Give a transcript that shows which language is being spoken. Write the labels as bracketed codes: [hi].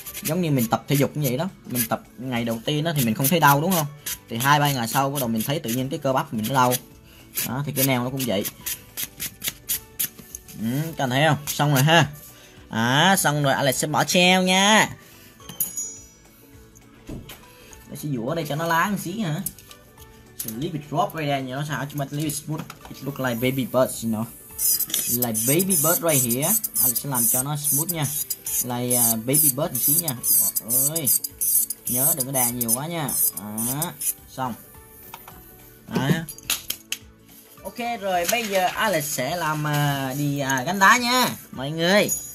[vi] Giống như mình tập thể dục như vậy đó, mình tập ngày đầu tiên đó thì mình không thấy đau đúng không, thì 2-3 ngày sau bắt đầu mình thấy tự nhiên cái cơ bắp mình nó đau đó, thì cái neo nó cũng vậy. Các bạn thấy không, xong rồi ha. Xong rồi Alex sẽ bỏ treo nha, nó sẽ dũa đây cho nó láng xí hả. [en] So leave it drop right there, you know, so how much leave it smooth, it look like baby birds, you know, like baby bird right here. [vi] Alex sẽ làm cho nó smooth nha, [en] like baby bird [vi] một xí nha. Wow, ơi nhớ đừng có đè nhiều quá nha. Xong ok rồi, bây giờ Alex sẽ làm đi gắn đá nha mọi người.